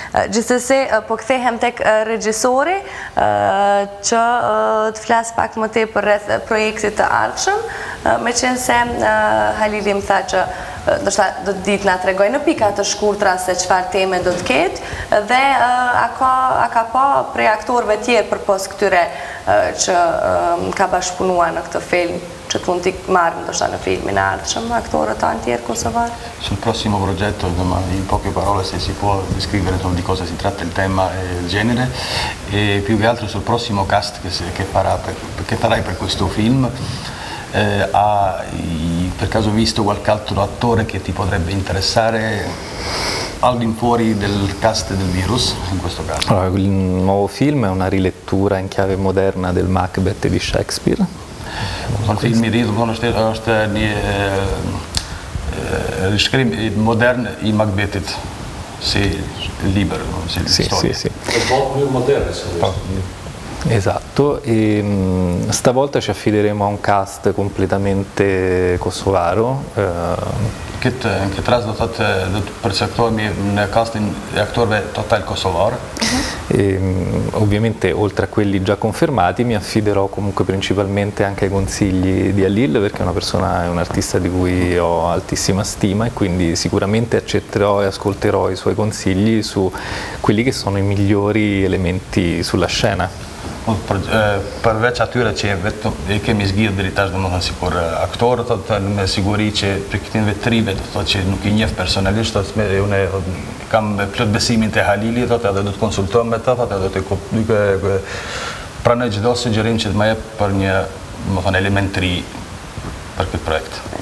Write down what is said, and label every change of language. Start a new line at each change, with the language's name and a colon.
Albanian: Gjithësësi, po kthehem tek regjisori që të flasë pak më te për rreth projekte të ardhshme, me qenë se Halili më tha që do të ditë nga të regojë në pika të shkurtra se qëfar teme do të ketë, dhe a ka pa prej aktorve tjerë për posë këtyre që ka bashkëpunua në këtë film, që të mund t'i marrë ndoshta në filmin ardhshëm, aktorët anë tjerë kosovarë?
Italian: Sul prossimo progetto, in poche parole, se si può descrivere di cosa si tratta il tema e il genere, e più che altro sul prossimo cast che farai per questo film, per caso visto qualche altro attore che ti potrebbe interessare all'infuori del cast del virus in questo caso? Allora, il nuovo film è una rilettura in chiave moderna del Macbeth di Shakespeare. Il film di è un riscrim moderno in Macbeth, sì, libero, sì, sì, sì. È un po' più moderno, se Esatto, e stavolta ci affideremo a un cast completamente kosovaro.
Albanian: Këtë në këtë rast do të përcaktohemi në castin e aktorëve total kosovar.
Italian: E, ovviamente oltre a quelli già confermati mi affiderò comunque principalmente anche ai consigli di Alil, perché è un artista di cui ho altissima stima e quindi sicuramente accetterò e ascolterò i suoi consigli su quelli che sono i migliori elementi sulla scena.
Albanian: Përveç atyre që e kemi zgjidhur deri tash, domethënë sikur aktorët, me siguri që për këtë vetrive, do të thotë që nuk i njeh personalisht, atë unë kam plot besimin te Halili, thotë edhe do të konsultojmë me ta, thotë edhe do të pranoj çdo sugjerim që të më jep për një, domethënë elementri për këtë projekt.